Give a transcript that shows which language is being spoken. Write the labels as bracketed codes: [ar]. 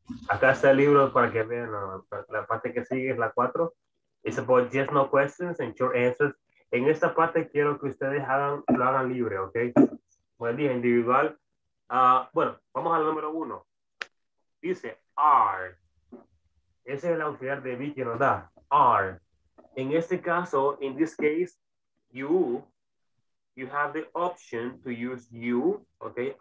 [es] Acá está el libro para que vean la parte que sigue, es la 4. [en] It's about yes, no questions and short answers. [es] En esta parte quiero que ustedes lo hagan libre, ¿ok? Buen día, individual. Bueno, vamos al número 1. Dice, are. Ese es el auxiliar de be que nos da. Are. En este caso, [en] in this case, you have the option to use you, ¿ok?